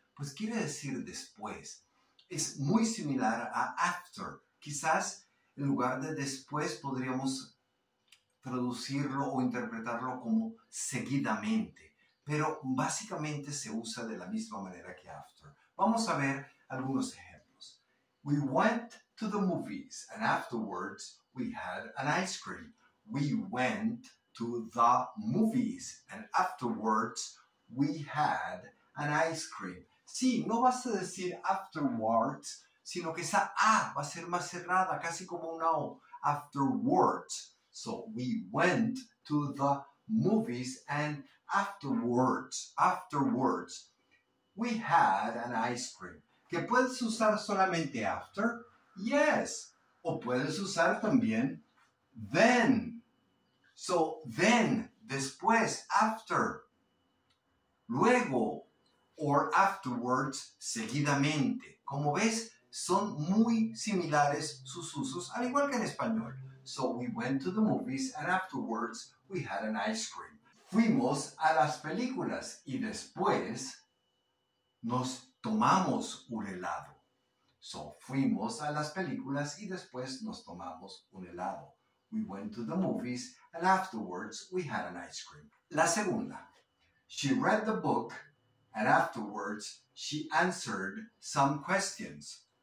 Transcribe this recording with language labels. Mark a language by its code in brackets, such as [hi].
[es] Pues quiere decir después. Es muy similar a after. Quizás en lugar de después podríamos traducirlo o interpretarlo como seguidamente. Pero básicamente se usa de la misma manera que after. Vamos a ver algunos ejemplos. [en] We went to the movies and afterwards we had an ice cream. We went to the movies and afterwards we had an ice cream. [es] Sí, no vas a decir afterwards, sino que esa A va a ser más cerrada, casi como una O. [en] Afterwards. So, we went to the movies and afterwards, afterwards, we had an ice cream. [es] ¿Que puedes usar solamente after? Yes. O puedes usar también then. [en] So, then, [es] después, after, luego. [en] Or afterwards, seguidamente. [es] Como ves, son muy similares sus usos, al igual que en español. [en] So we went to the movies and afterwards we had an ice cream. [es] Fuimos a las películas y después nos tomamos un helado. So fuimos a las películas y después nos tomamos un helado. [en] We went to the movies and afterwards we had an ice cream. [es] La segunda. [en] She read the book and afterwards, she answered some questions.